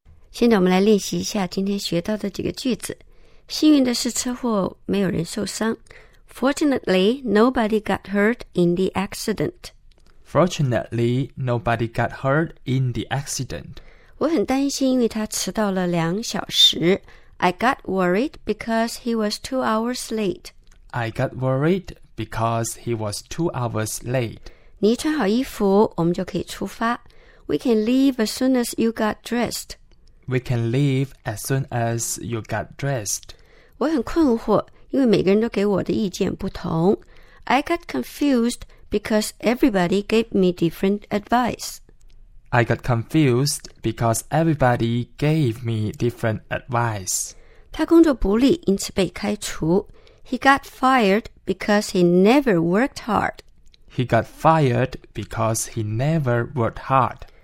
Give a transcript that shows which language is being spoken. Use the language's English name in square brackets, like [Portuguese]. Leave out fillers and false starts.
[Chinese] 现在我们来练习一下今天学到的几个句子。幸运的是车祸没有人受伤。 [English] Fortunately, nobody got hurt in the accident. Fortunately, nobody got hurt in the accident. [Chinese] 我很担心因为他迟到了2小时。 [English] I got worried because he was 2 hours late. I got worried because he was 2 hours late. [Chinese] 你穿好衣服，我们就可以出发。 [English] We can leave as soon as you got dressed. We can leave as soon as you got dressed. [Chinese] 我很困惑，因为每个人都给我的意见不同。 [English] I got confused because everybody gave me different advice. I got confused because everybody gave me different advice. [Chinese] 他工作不力，因此被开除。 [English] He got fired because he never worked hard. He got fired because he never worked hard.